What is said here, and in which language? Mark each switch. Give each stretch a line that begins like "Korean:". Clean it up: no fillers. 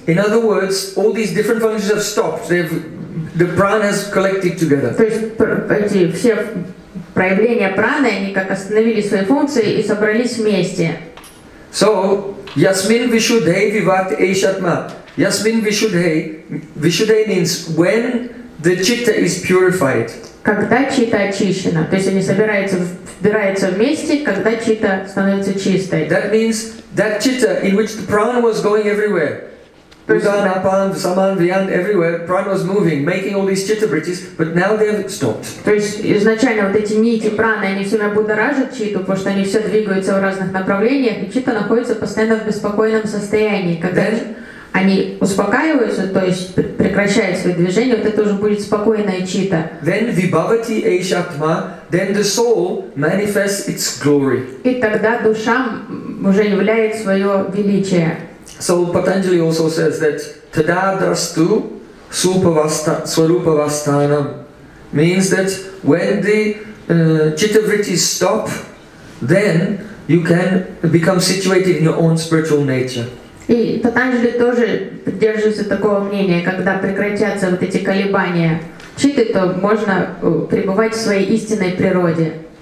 English: In other words, all these different functions have stopped. They've the prana has collected together.
Russian: То есть эти все проявления праны они как остановили свои функции и собрались вместе.
Sanskrit: So, Yasmin Vishuddhei Vivat Eshatma. Yasmin Vishuddhei.
English: Vishuddhei means when the chitta is purified.
Russian: Когда чита очищена, то есть они собираются, вбираются вместе, когда чита становится чистой.
English: That means that chitta in which the prana was going everywhere, udan, apan, saman, vyan, everywhere, prana was moving, making all these chitta bridges, but now they have stopped.
Russian: То есть изначально вот эти нити праны, они все время будоражат читу, потому что они все двигаются в разных направлениях, и чита находится постоянно в беспокойном состоянии, когда они успокаиваются, то есть прекращают свои движения, вот это уже будет спокойная чита.
English: Then
Sanskrit: vibhavati eshatma,
English: then the soul manifests its glory.
Russian: И тогда душа уже являет свое величие.
English: So Patanjali also says that
Sanskrit: tada drastu supavasta swarupavastanam
English: means that when the chittavritti stop, then you can become situated in your own spiritual nature.
Russian: И Патанджали тоже придерживается такого мнения, когда прекратятся вот эти колебания читы, то можно пребывать в своей истинной природе.